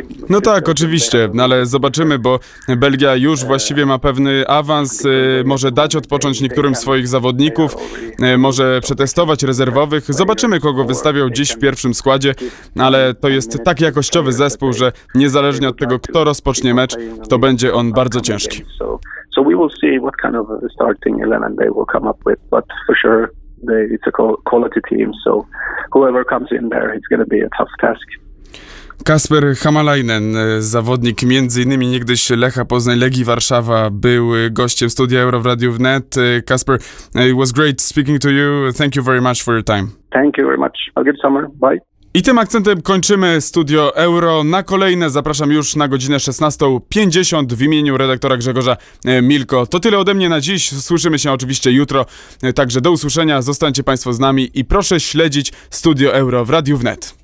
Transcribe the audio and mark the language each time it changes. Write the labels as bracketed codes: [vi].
[pl] No tak, oczywiście, ale zobaczymy, bo Belgia już właściwie ma pewny awans, może dać odpocząć niektórym swoich zawodników, może przetestować rezerwowych. Zobaczymy, kogo wystawiał dziś w pierwszym składzie, ale to jest tak jakościowy zespół, że niezależnie od tego, kto rozpocznie mecz, to będzie on bardzo ciężki. [en] So we will see what kind of a starting 11 they will come up with, but for sure it's a quality team, so whoever comes in there, it's going to be a tough task. [pl] Kasper Hamalainen, zawodnik m.in. niegdyś Lecha Poznań, Legii Warszawa, był gościem Studia Euro w Radiu Wnet. [en] Kasper, it was great speaking to you. Thank you very much for your time. Thank you very much. Have a good summer. Bye. [pl] I tym akcentem kończymy Studio Euro. Na kolejne zapraszam już na godzinę 16:50 w imieniu redaktora Grzegorza Milko. To tyle ode mnie na dziś. Słyszymy się oczywiście jutro. Także do usłyszenia. Zostańcie Państwo z nami i proszę śledzić Studio Euro w Radiu Wnet.